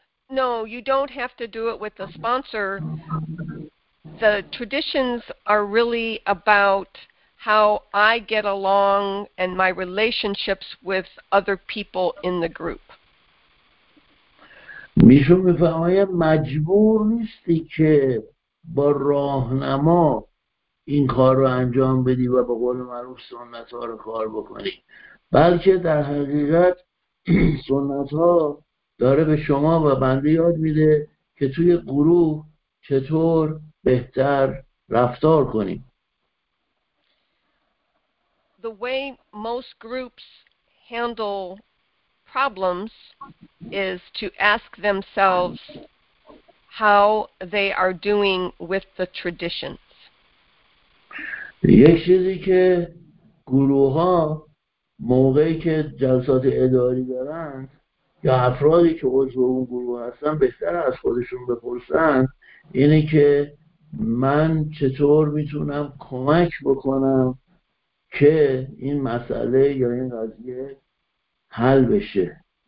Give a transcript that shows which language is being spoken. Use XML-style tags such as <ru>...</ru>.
<en>No, you don't have to do it with the sponsor. The traditions are really about how I get along and my relationships with other people in the group.</en> <fa>میشون میفرماید مجبور نیستی که با راهنما این کار رو انجام بدی و به قول معروف سنت ها رو کار بکنی، بلکه در حقیقت سنت ها داره به شما و بنده یاد میده که توی گروه چطور بهتر رفتار کنیم.</fa> <en>The way most groups handle problems is to ask themselves how they are doing with the traditions.</en> <fa>یک چیزی که گروه ها موقعی که جلسات اداری دارن یا افرادی که عضو اون گروه هستن بهتر از خودشون بپرسن اینه که من چطور میتونم کمک بکنم که این مسئله یا این قضیه حل بشه.</fa>